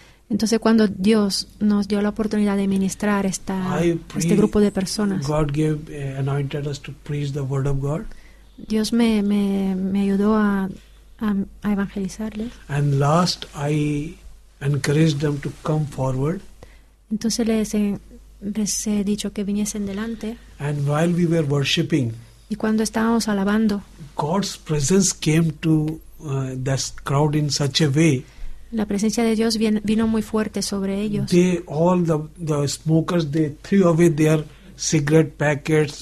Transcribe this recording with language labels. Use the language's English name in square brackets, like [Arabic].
[Spanish] Entonces cuando Dios nos dio la oportunidad de ministrar este grupo de personas. [English] God gave anointed us to preach the word of God. [Spanish] Dios me ayudó a evangelizarles. [English] And last, I encouraged them to come forward. [Spanish] Entonces les he dicho que viniesen delante. [English] And while we were worshiping, [Spanish] y cuando estábamos alabando, [English] God's presence came to that crowd in such a way. [Spanish] La presencia de Dios vino muy fuerte sobre ellos. [English] They all the smokers they threw away their cigarette packets.